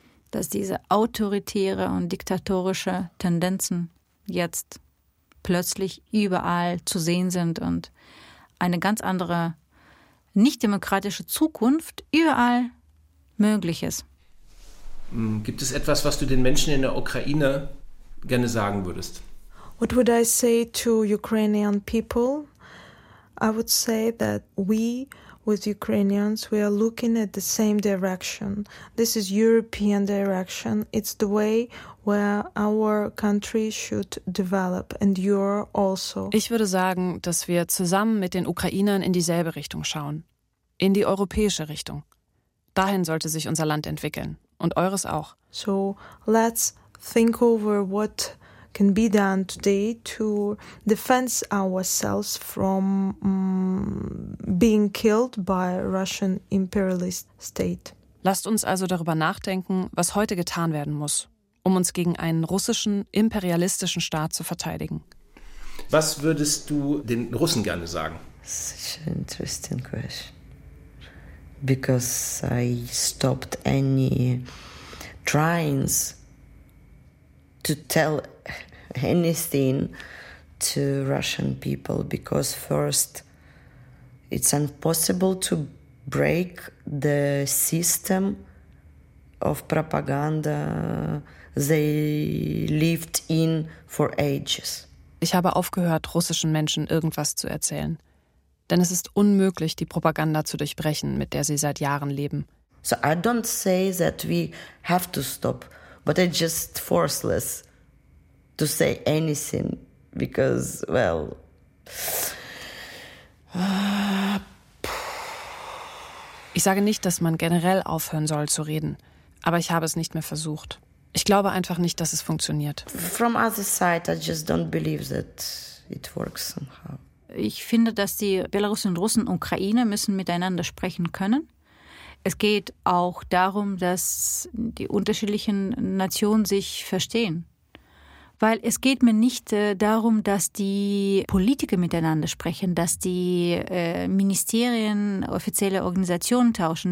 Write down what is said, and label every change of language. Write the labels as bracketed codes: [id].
[de] Dass diese autoritäre und diktatorische Tendenzen jetzt plötzlich überall zu sehen sind und eine ganz andere nicht-demokratische Zukunft überall möglich ist. Gibt es etwas, was du den Menschen in der Ukraine gerne sagen würdest? [en] What would I say to Ukrainian people? I would say that we with Ukrainians, we are looking at the same direction. This is European direction. It's the way where our country should develop and you're also. [de] Ich würde sagen, dass wir zusammen mit den Ukrainern in dieselbe Richtung schauen. In die europäische Richtung. Dahin sollte sich unser Land entwickeln. Und eures auch. [en] So let's think over what can be done today to defend ourselves from being killed by a Russian imperialist state. [de] Lasst uns also darüber nachdenken, was heute getan werden muss, um uns gegen einen russischen imperialistischen Staat zu verteidigen. Was würdest du den Russen gerne sagen? [en] Such an interesting question. Because I stopped any tryings to tell anything to Russian people, because first it's impossible to break the system of propaganda they lived in for ages. [de] Ich habe aufgehört, russischen Menschen irgendwas zu erzählen. denn es ist unmöglich, die Propaganda zu durchbrechen, mit der sie seit Jahren leben. [en] So I don't say that we have to stop, but it's just forceless to say anything because, well, [de] ich sage nicht, dass man generell aufhören soll zu reden, aber ich habe es nicht mehr versucht. Ich glaube einfach nicht, dass es funktioniert. [en] From other side, I just don't believe that it works somehow. [de] Ich finde, dass die Belarusen, Russen und Ukraine müssen miteinander sprechen können. Es geht auch darum, dass die unterschiedlichen Nationen sich verstehen. Weil es geht mir nicht darum, dass die Politiker miteinander sprechen, dass die Ministerien offizielle Organisationen tauschen.